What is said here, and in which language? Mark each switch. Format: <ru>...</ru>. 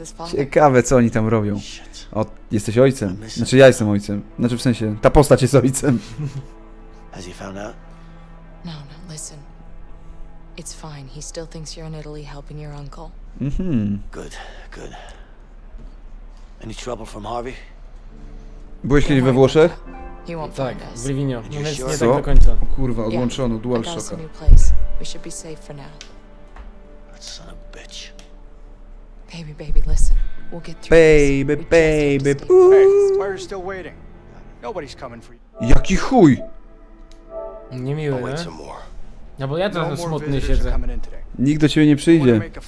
<pl>Ciekawe, co oni tam robią. O, jesteś ojcem. Znaczy ja jestem ojcem. Znaczy w sensie ta postać jest ojcem.</pl> <en>Has he found out? No, no, listen. It's fine. He still thinks you're in Italy helping your uncle. Good. Any trouble from Harvey?</en> <pl>Byłeś kiedyś we Włoszech? Tak, w Livigno. No nie tak do końca. Kurwa, odłączono, DualShocka.</pl> <en>We should be safe for now. That son of a bitch. Baby, listen. We'll get through this. Baby. Hey, Spire's still waiting. Nobody's coming for you.</en> <pl>Jaki chuj! Niemiły, nie? No bo ja teraz smutny siedzę. Nikt do ciebie nie przyjdzie.</pl>